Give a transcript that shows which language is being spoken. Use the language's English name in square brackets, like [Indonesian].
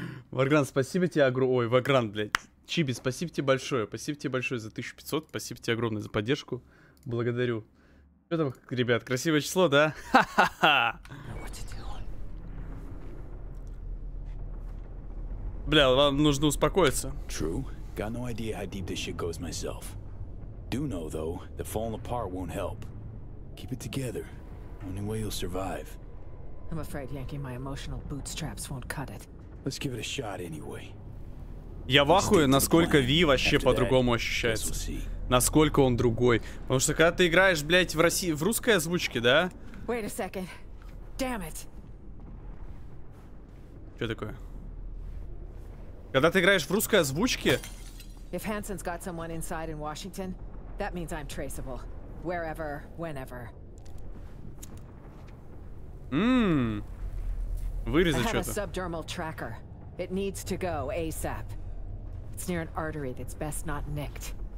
[Russian] Вагрант, спасибо тебе огромное. Ой, Вагрант, блядь. Чиби, спасибо тебе большое. Спасибо тебе большое за 1500. Спасибо тебе огромное за поддержку. Благодарю. Что там, ребят, красивое число, да? Бля, вам нужно успокоиться. [English] True. Got no idea how deep this shit goes myself. Do know, though, that falling apart won't help. Keep it together. Only way you'll survive. I'm afraid yanking my emotional bootstraps won't cut it. Let's give it a shot anyway. [Russian] Я в ахуе, насколько Ви вообще по-другому ощущается. Насколько он другой. Потому что когда ты играешь, блядь, в России, в русской озвучке, да? [English] Wait a second. Damn it. [Russian] Что такое? Когда ты играешь в русской озвучке... [English] If Hansen's got someone inside in Washington, that means I'm traceable. Wherever, whenever. [Russian] Вырезать что-то. [English] I have a subdermal tracker. It needs to go ASAP. It's near an artery that's best not nicked.